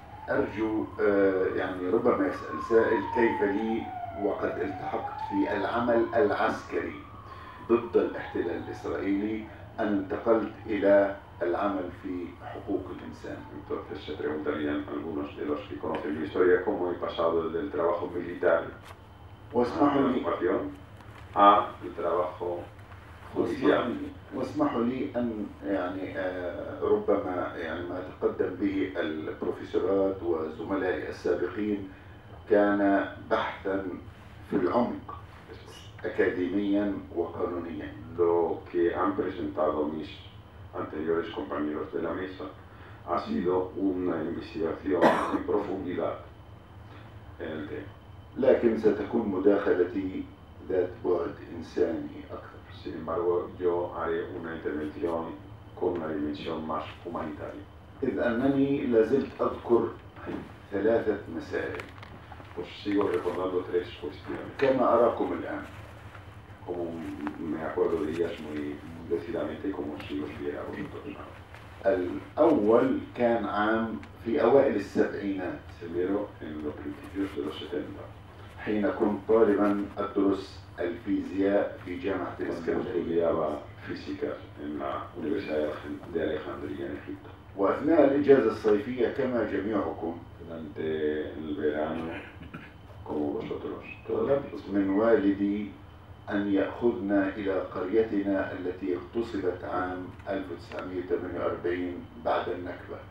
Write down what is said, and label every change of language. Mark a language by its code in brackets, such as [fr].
[ar] أرجو يعني ربما يسأل سائل كيف لي وقد التحقت في العمل العسكري ضد الاحتلال الإسرائيلي أن انتقلت إلى العمل في حقوق الإنسان. [es] Entonces se preguntarían algunos de los que conocen mi historia cómo he pasado del trabajo militar [ar] واسمحوا لي [es] al trabajo judicial. [ar] واسمحوا لي أن يعني ربما يعني ما تقدم به البروفيسورات وزملائي السابقين كان بحثا في العمق أكاديميا وقانونيا. [es] Lo que han presentado mis anteriores compañeros de la mesa ha sido una investigación en profundidad en el tema. [ar] لكن ستكون مداخلتي ذات بعد إنساني أكثر. [es] Sin embargo, yo haré una intervención con una dimensión más humanitaria. [ar] إذ أنني لازلت أذكر ثلاثة مسائل. [es] Pues sigo recordando tres cuestiones. [ar] كما أراكم الآن. [es] Como me acuerdo de ellas muy decididamente, como si los viera juntos. [ar] الأول كان عام في أوائل السبعينات. [es] Primero en los principios de los 70. [ar] حين كنت طالبا أدرس الفيزياء في جامعة الإسكندرية. [es] Porque estudiaba física en la Universidad de Alejandría en Egipto. [ar] وأثناء الإجازة الصيفية كما جميعكم. [es] Durante el verano como vosotros. [ar] طلبت من والدي أن يأخذنا إلى قريتنا التي اغتصبت عام 1948 بعد النكبة.